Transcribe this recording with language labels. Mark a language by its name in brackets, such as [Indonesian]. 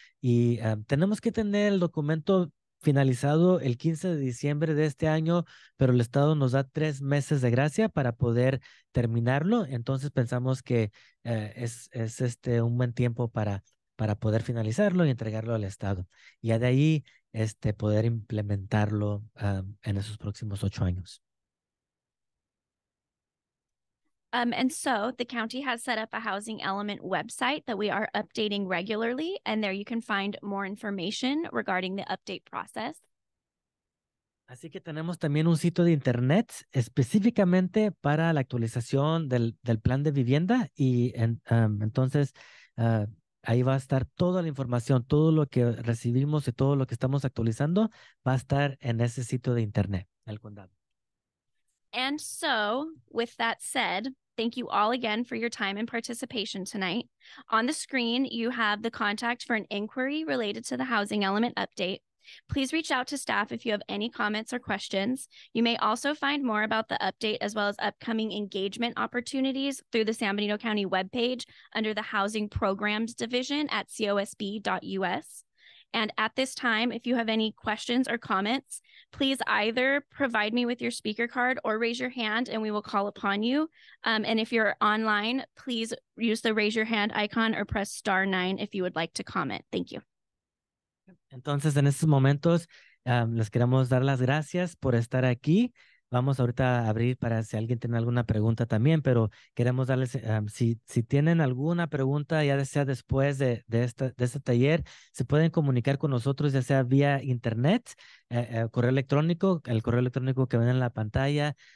[Spanish] Y tenemos que tener el documento finalizado el 15 de diciembre de este año, pero el Estado nos da 3 meses de gracia para poder terminarlo. Entonces pensamos que es un buen tiempo para poder finalizarlo y entregarlo al Estado. Y ya de ahí poder implementarlo en esos próximos 8 años. [English] And so the county has set up a housing element website that we are updating regularly, and there you can find more information regarding the update process. [Spanish] Así que tenemos también un sitio de internet específicamente para la actualización del plan de vivienda, y entonces ahí va a estar toda la información, todo lo que recibimos y todo lo que estamos actualizando va a estar en ese sitio de internet del condado. [English] And so, with that said, thank you all again for your time and participation tonight. On the screen, you have the contact for an inquiry related to the housing element update. Please reach out to staff if you have any comments or questions. You may also find more about the update as well as upcoming engagement opportunities through the San Benito County webpage under the Housing Programs Division at cosb.us. And at this time, if you have any questions or comments, please either provide me with your speaker card or raise your hand and we will call upon you. And if you're online, please use the raise your hand icon or press *9 if you would like to comment. Thank you. [Spanish] Entonces, en estos momentos, les queremos dar las gracias por estar aquí. Vamos ahorita a abrir para si alguien tiene alguna pregunta también, pero queremos darles, si tienen alguna pregunta, ya sea después de este taller, se pueden comunicar con nosotros, ya sea vía internet, el correo electrónico que ven en la pantalla.